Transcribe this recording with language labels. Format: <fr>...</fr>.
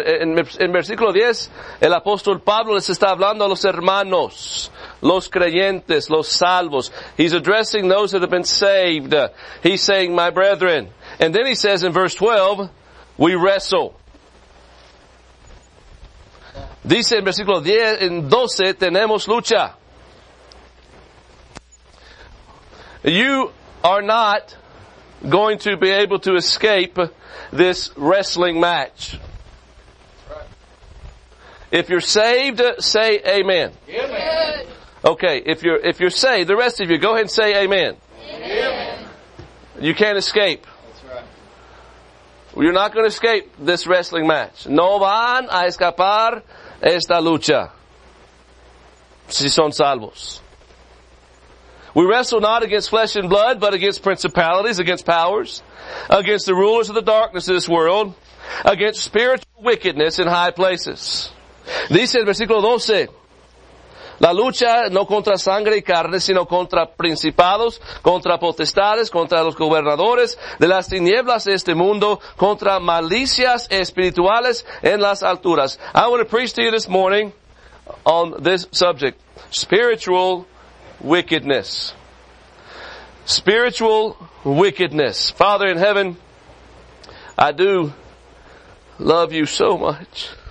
<es>En versículo 10, el apóstol Pablo les está hablando a los hermanos, los creyentes, los salvos.</es> <en>He's addressing those that have been saved. He's saying, my brethren. And then he says in verse 12, we wrestle.</en> <es>Dice en versículo 10, en 12, tenemos lucha.</es> <en>You are not going to be able to escape this wrestling match. If you're saved, say amen. Amen. Okay, if you're saved, the rest of you, go ahead and say amen. Amen. You can't escape. That's right. You're not going to escape this wrestling match.</en> <es>No van a escapar esta lucha. Si son salvos.</es> <en>We wrestle not against flesh and blood, but against principalities, against powers, against the rulers of the darkness of this world, against spiritual wickedness in high places.</en> <es>Dice el versículo 12, la lucha no contra sangre y carne, sino contra principados, contra potestades, contra los gobernadores de las tinieblas de este mundo, contra malicias espirituales en las alturas.</es> <en>I want to preach to you this morning on this subject, spiritual wickedness. Spiritual wickedness. Father in heaven, I do love you so much.</en>